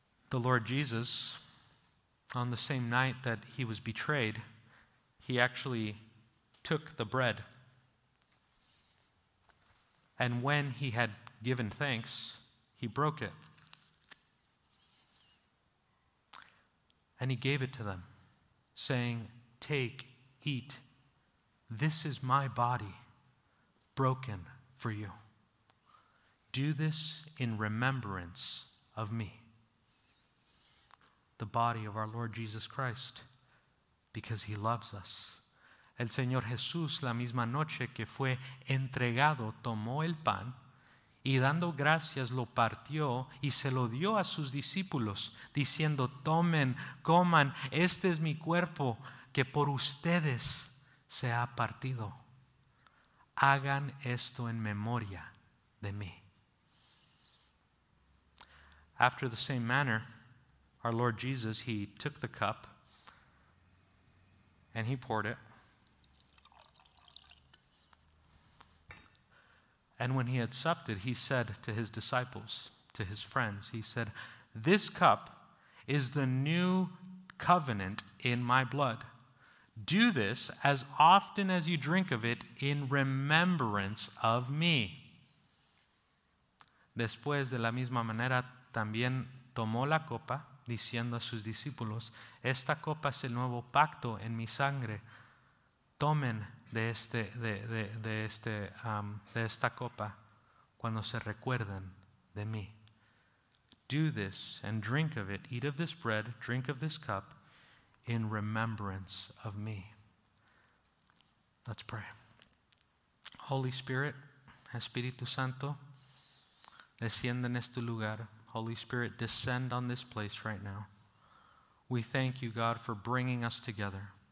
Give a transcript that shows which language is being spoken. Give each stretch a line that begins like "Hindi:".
English: The Lord Jesus, on the same night that he was betrayed, he actually took the bread, and when he had given thanks, he broke it, and he gave it to them, saying, "Take, eat, this is my body broken for you. Do this in remembrance of me." The body of our Lord Jesus Christ, because he loves us.
Spanish: El Señor Jesús, la misma noche que fue entregado, tomó el pan y dando gracias lo partió y se lo dio a sus discípulos, diciendo, tomen, coman, este es mi cuerpo que por ustedes se ha partido. Hagan esto en memoria de mí.
English: After the same manner, our Lord Jesus, he took the cup and he poured it. And when he had supped it, he said to his disciples, to his friends, he said, "This cup is the new covenant in my blood. Do this as often as you drink of it in remembrance of me."
Spanish: Después, de la misma manera, también tomó la copa, diciendo a sus discípulos, "Esta copa es el nuevo pacto en mi sangre. Tomen de esta copa cuando se recuerden de mí."
English: Do this and drink of it. Eat of this bread, drink of this cup in remembrance of me. Let's pray. Holy Spirit,
Spanish: Espíritu Santo, desciende en este lugar.
English: Holy Spirit, descend on this place right now. We thank you, God, for bringing us together.